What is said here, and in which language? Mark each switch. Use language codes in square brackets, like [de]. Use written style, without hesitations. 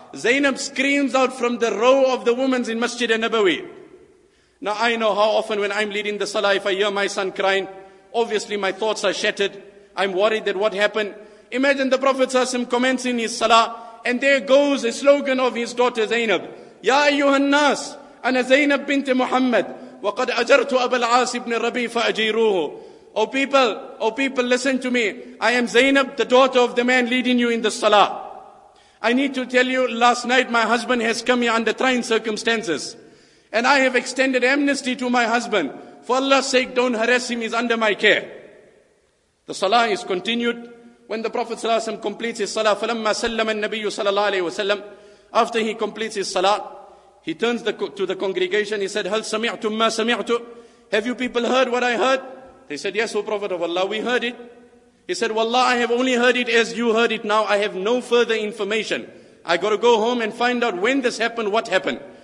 [en] Zainab screams out from the row of the women's in Masjid al-Nabawi. Now I know how often when I'm leading the salah, if I hear my son crying, obviously my thoughts are shattered. I'm worried that what happened. Imagine the Prophet ﷺ commencing his salah, and there goes a slogan of his daughter Zainab. [ar] يَا أَيُّهَا النَّاسِ. أنا زينب بنت محمد وقد أجرت أبا العاص بن ربيع فأجيروه. [en] Oh people, listen to me. I am Zainab, the daughter of the man leading you in the salah. I need to tell you, last night my husband has come here under trying circumstances. And I have extended amnesty to my husband. For Allah's sake, don't harass him, he's under my care. The salah is continued. When the Prophet ﷺ completes his salah, [ar] فَلَمَّا سَلَّمَ النَّبِيُّ صَلَى اللَّهُ عَلَيْهِ وَسَلَّمَ. [en] After he completes his salah, he turns to the congregation. He said, [ar] "Hal sami'tum ma sami'tu?" [en] Have you people heard what I heard? They said, "Yes, O Prophet of Allah, we heard it." He said, "Wallah, I have only heard it as you heard it now. I have no further information. I got to go home and find out when this happened, what happened."